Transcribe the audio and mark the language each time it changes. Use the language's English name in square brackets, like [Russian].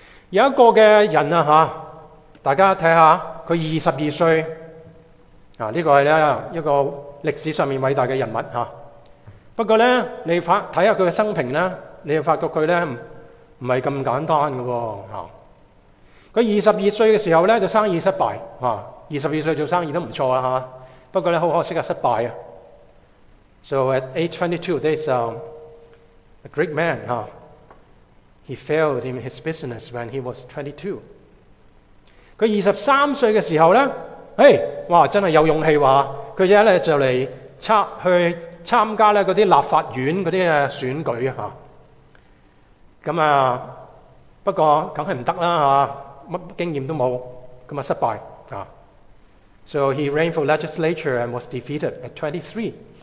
[Chinese] 有一个的人大家看看，他22岁这个是一个历史上面伟大的人物。不过呢，你看看他的生平，你就发觉他呢不是那么简单的。他22岁的时候就生意失败，22岁做生意都不错，不过呢很可惜失败。 [English] So at age 22, this a great man, he failed in his business when he was 22. [Chinese] 他23岁的时候呢，哇，真的有勇气，他现在就来去参加那些立法院的选举。不过当然不行，什么经验都没有，失败。 [English] So he ran for legislature and was defeated at 23.